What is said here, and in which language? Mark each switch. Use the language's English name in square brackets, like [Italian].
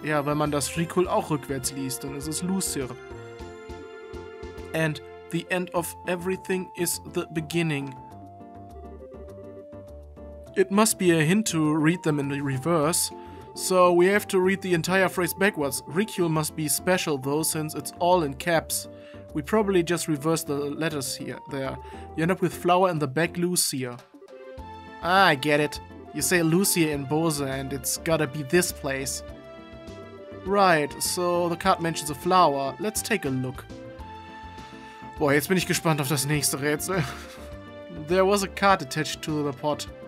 [German] Ja, wenn man das Rikul auch rückwärts liest, dann ist es Lucir. [English] And the end of everything is the beginning. It must be a hint to read them in the reverse. So we have to read the entire phrase backwards. Rikul must be special though, since it's all in caps. We probably just reverse the letters here, there. You end up with Flower in the Back Lucir. Ah, I get it. You say Lucia in Bosa and it's gotta be this place. Right, so the card mentions a flower. Let's take a look. [German] Boah, jetzt bin ich gespannt auf das nächste Rätsel. [English] There was a card attached to the pot.